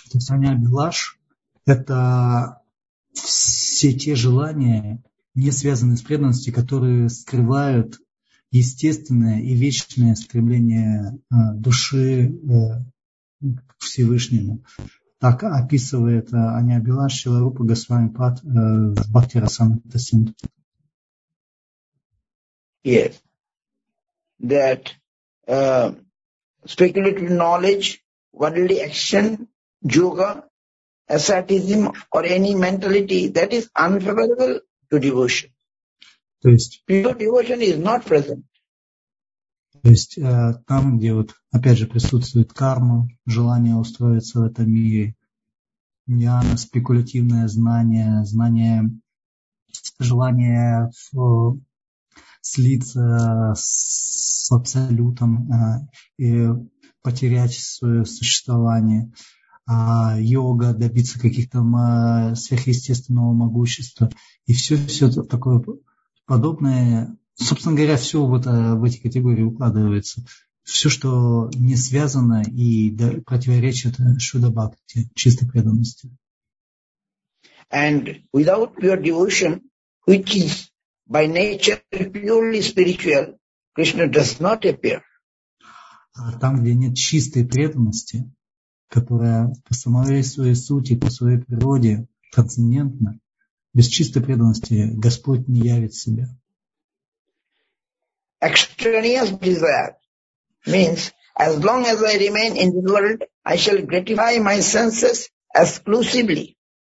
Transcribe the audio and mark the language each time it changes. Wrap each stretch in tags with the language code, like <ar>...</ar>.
<ru>Anya-abhilash это все те желания, не связанные с преданностью, которые скрывают естественное и вечное стремление души к Всевышнему. Так описывает анья-абхилаш Шрила Рупа Госвами Пад в Бхакти Расамрита Синдху.</ru> <en>Yes. That speculative knowledge, worldly action, yoga, ascetism or any mentality that is unfavorable to devotion.</en> <ru>То есть,</ru> <en>pure devotion is not present.</en> <ru>То есть там, где вот опять же присутствует карма, желание устроиться в этом мире, ньяна, спекулятивное знание, знание, желание слиться с абсолютом и потерять свое существование. А йога, добиться каких-то сверхъестественного могущества. И все-все такое подобное. Собственно говоря, все вот в эти категории укладывается. Все, что не связано и противоречит шудабхакти, чистой преданности.</ru> <en>And without pure devotion, which is by nature purely spiritual, Krishna does not appear.</en> <ru>А там, где нет чистой преданности, которая по самой своей сути, по своей природе трансцендентна, без чистой преданности Господь не явит себя.</ru> <en>Extraneous desire means as long as I remain in the world, I shall gratify my senses exclusively.</en>